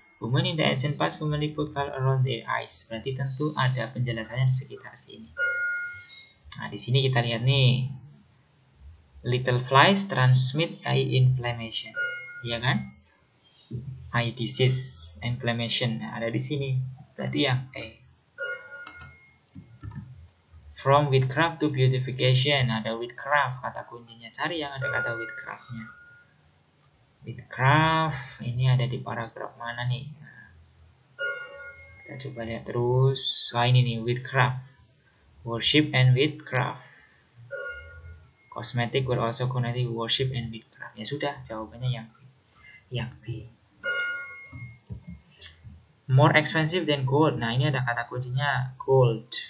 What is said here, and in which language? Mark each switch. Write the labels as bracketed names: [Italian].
[English] Women in the ancient past commonly put color around their eyes. [Indonesian] Berarti tentu ada penjelasannya di sekitar sini. Nah, di sini kita lihat nih. [English] Little flies transmit eye inflammation. [Indonesian] Iya kan? Eye disease, inflammation. Nah, ada di sini. Tadi yang A. [English] From witchcraft to beautification. [Indonesian] Ada witchcraft, kata kuncinya. Cari yang ada kata witchcraft-nya. Witchcraft, ini ada di paragraf mana nih? Kita coba lihat terus. Nah, ini nih, [English] witchcraft. Worship and witchcraft. Cosmetic were also connected with worship and witchcraft. [Indonesian] Ya sudah, jawabannya yang B. [English] More expensive than gold. [Indonesian] Nah, ini ada kata kuncinya gold.